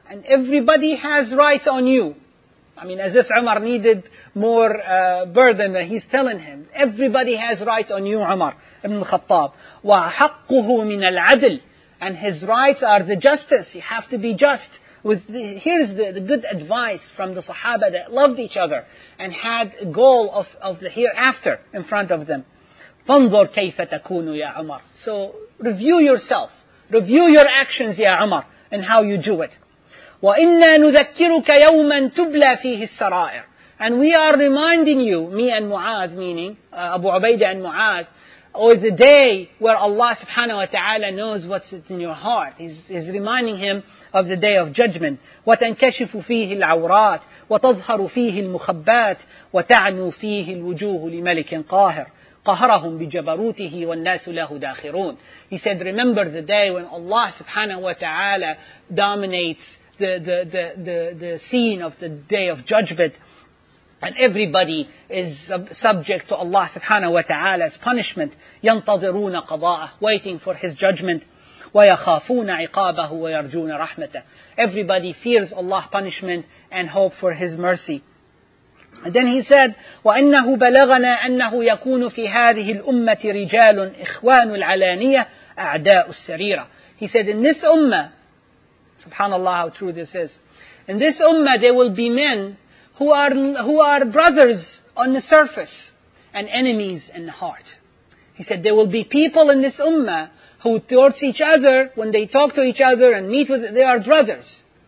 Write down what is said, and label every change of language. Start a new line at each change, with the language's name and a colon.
English: And everybody has rights on you. I mean, as if Umar needed more burden, he's telling him, everybody has right on you, Umar ibn al-Khattab.
Arabic: وَحَقُّهُ مِنَ الْعَدْلِ.
English: And his rights are the justice. You have to be just. Here's the good advice from the Sahaba that loved each other and had a goal of the hereafter in front of them.
Arabic: فَانْظُرْ كَيْفَ تَكُونُ يَا Umar.
English: So review yourself. Review your actions, ya Umar, and how you do it.
Arabic: وَإِنَّا نُذَكِّرُكَ يَوْمًا تُبْلَى فِيهِ السَّرَائِرِ.
English: And we are reminding you, me and Mu'adh, meaning Abu Ubaidah and Mu'adh, or the day where Allah subhanahu wa ta'ala knows what's in your heart. He's reminding him of the day of judgment.
Arabic: وَتَنْكَشِفُ فِيهِ الْعَوْرَاتِ وَتَظْهَرُ فِيهِ الْمُخَبَّاتِ وَتَعْنُو فِيهِ الْوُجُوهُ لِمَلِكٍ قَاهِرٍ. قهرهم بجبروته والناس له داخرون.
English: He said, remember the day when Allah subhanahu wa ta'ala dominates the scene of the day of judgment, and everybody is subject to Allah subhanahu wa ta'ala's punishment.
Arabic: ينتظرون قضاءه,
English: waiting for his judgment.
Arabic: ويخافون عقابه ويرجون رحمته.
English: Everybody fears Allah's punishment and hope for his mercy. And then he said,
Arabic: وَإِنَّهُ بَلَغَنَا أَنَّهُ يَكُونُ فِي هَذِهِ الْأُمَّةِ رِجَالٌ إِخْوَانُ الْعَلَانِيَةِ أَعْدَاءُ السَّرِيرَةِ.
English: He said, in this ummah, subhanallah, how true this is, in this ummah there will be men who are brothers on the surface and enemies in the heart. He said, there will be people in this ummah who towards each other, when they talk to each other and meet with, they are brothers.